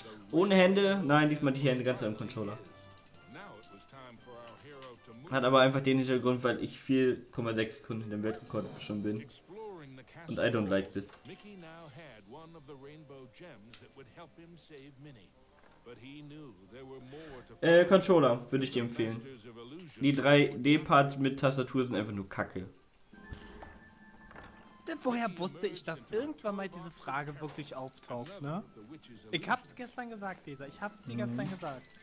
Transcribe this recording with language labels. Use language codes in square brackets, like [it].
[de] Ohne Hände? Nein, diesmal die Hände ganz am Controller. Hat aber einfach den Hintergrund, weil ich 4,6 Sekunden in dem Weltrekord schon bin. [en] Und I don't like this. Mickey now had one of the rainbow gems that would help him save Minnie. But he knew there were more to... [de] Controller, würde ich dir empfehlen. Die 3D-Parts mit Tastatur sind einfach nur Kacke. Woher wusste ich, dass irgendwann mal diese Frage wirklich auftaucht, ne? Ich hab's gestern gesagt, Lisa. Ich hab's dir gestern gesagt.